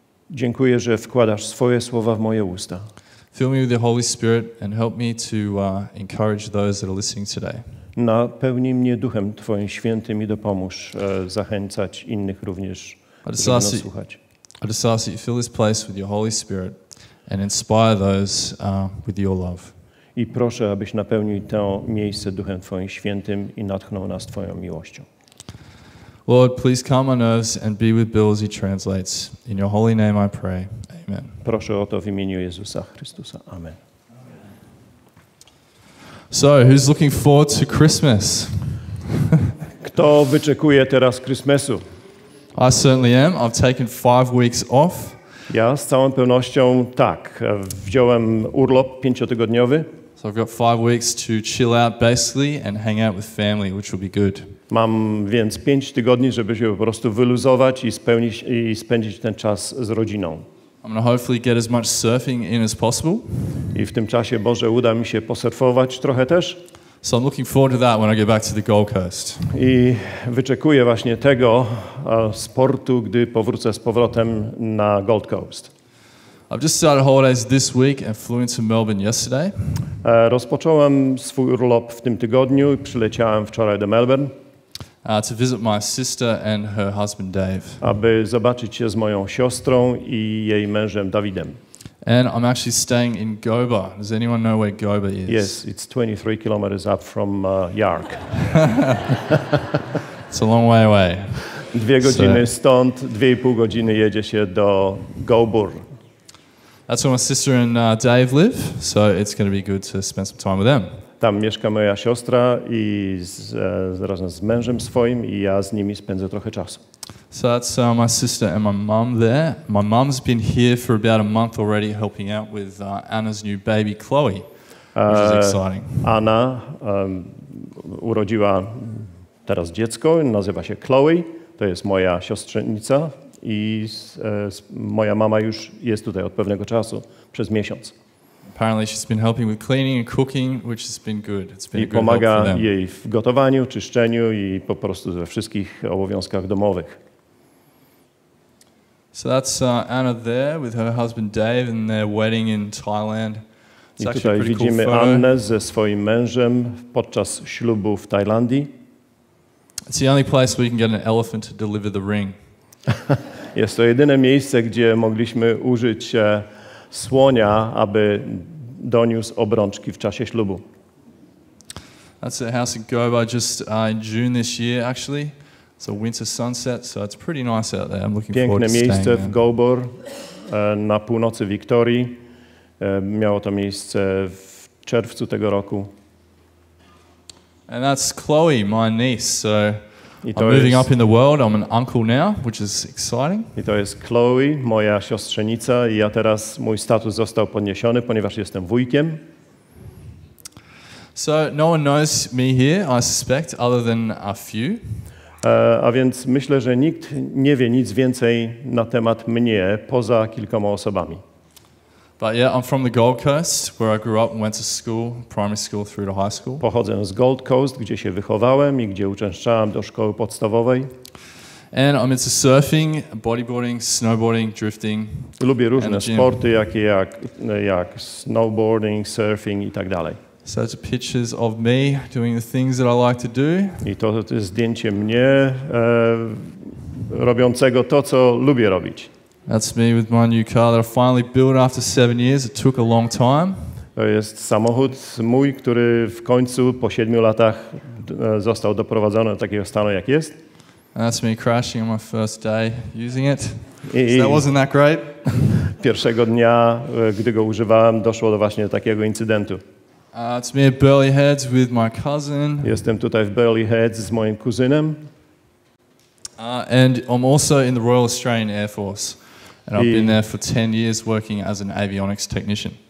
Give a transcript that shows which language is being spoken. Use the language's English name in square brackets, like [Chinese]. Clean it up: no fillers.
[Polish] Dziękuję, że wkładasz swoje słowa w moje usta. [English] Fill me with the Holy Spirit and help me to encourage those that are listening today. [Polish] Napełnij mnie Duchem Twoim Świętym i dopomóż zachęcać innych również, żeby nas słuchać. [English] I just ask that you fill this place with your Holy Spirit and inspire those with your love. [Polish] I proszę, abyś napełnił to miejsce Duchem Twoim Świętym i natchnął nas Twoją miłością. [English] Lord, please calm my nerves and be with Bill as he translates. In your holy name I pray. Amen. [Polish] Proszę o to w imieniu Jezusa Chrystusa. Amen. [English] So, who's looking forward to Christmas? [Polish] Kto wyczekuje teraz Christmasu? [English] I certainly am. I've taken 5 weeks off. [Polish] Ja z całą pewnością tak. Wziąłem urlop 5-tygodniowy. [English] So I've got 5 weeks to chill out basically and hang out with family, which will be good. [Polish] Mam więc 5 tygodni, żeby się po prostu wyluzować i spędzić ten czas z rodziną. [English] I'm gonna hopefully get as much surfing in as possible. [Polish] I w tym czasie, Boże, uda mi się posurfować trochę też. [English] So I'm looking forward to that when I get back to the Gold Coast. [Polish] I wyczekuję właśnie tego sportu, gdy powrócę z powrotem na Gold Coast. [English] I've just started holidays this week and flew into Melbourne yesterday. [Polish] Rozpocząłem swój urlop w tym tygodniu i przyleciałem wczoraj do Melbourne. [English] To visit my sister and her husband Dave. [Polish] Aby zobaczyć się z moją siostrą i jej mężem Dawidem. [English] And I'm actually staying in Goba. Does anyone know where Goba is? Yes, it's 23 kilometers up from Yark. It's a long way away. [Polish] Dwie godziny stąd, 2,5 godziny jedzie się do Gobur. [English] That's where my sister and Dave live, so it's going to be good to spend some time with them. [Polish] Tam mieszka moja siostra i razem z mężem swoim i ja z nimi spędzę trochę czasu. [English] So that's my sister and my mom there. My mom's been here for about a month already helping out with Anna's new baby, Chloe, which is exciting. [Polish] Anna urodziła teraz dziecko, nazywa się Chloe, to jest moja siostrzenica i moja mama już jest tutaj od pewnego czasu, przez miesiąc. [English] Apparently she's been helping with cleaning and cooking, which has been good. It's been [Polish] I [English] a good [Polish] pomaga [English] help for them. [Polish] Jej w gotowaniu, czyszczeniu i po prostu we wszystkich obowiązkach domowych. [English] So that's Anna there with her husband Dave and their wedding in Thailand. [Polish] I tutaj widzimy Annę ze swoim mężem podczas ślubu w Tajlandii. [English] It's the only place where you can get an elephant to deliver the ring. [Polish] Jest to jedyne miejsce, gdzie mogliśmy użyć słonia, aby doniósł obrączki w czasie ślubu. [English] That's the house in Goba just in June this year, actually. It's a winter sunset, so it's pretty nice out there. I'm looking forward to staying there. [Polish] Piękne miejsce w Gobor na północy Wiktorii. Miało to miejsce w czerwcu tego roku. [English] And that's Chloe, my niece. So I'm moving up in the world. I'm an uncle now, which is exciting. [Polish] I to jest Chloe, moja siostrzenica. I ja teraz mój status został podniesiony, ponieważ jestem wujkiem. [English] So no one knows me here, I suspect, other than a few. [Polish] A więc myślę, że nikt nie wie nic więcej na temat mnie poza kilkoma osobami. [English] But yeah, I'm from the Gold Coast, where I grew up and went to school, primary school through to high school. [Polish] Pochodzę z Gold Coast, gdzie się wychowałem i gdzie uczęszczałem do szkoły podstawowej. [English] And I'm into surfing, bodyboarding, snowboarding, drifting. [Polish] Lubię różne sporty, takie jak snowboarding, surfing i tak dalej. [English] So it's pictures of me doing the things that I like to do. [Polish] I to jest zdjęcie mnie robiącego to, co lubię robić. [English] That's me with my new car that I finally built after 7 years. It took a long time. [Polish] To jest samochód mój, który w końcu po 7 latach został doprowadzony do takiego stanu, jak jest. [English] And that's me crashing on my first day using it. So that wasn't that great. [Polish] Pierwszego dnia, gdy go używałem, doszło do właśnie takiego incydentu. [English] It's me at Burley Heads with my cousin. [Polish] Jestem tutaj w Burley Heads z moim kuzynem. [English] And I'm also in the Royal Australian Air Force. And I've been there for 10 years working as an avionics technician.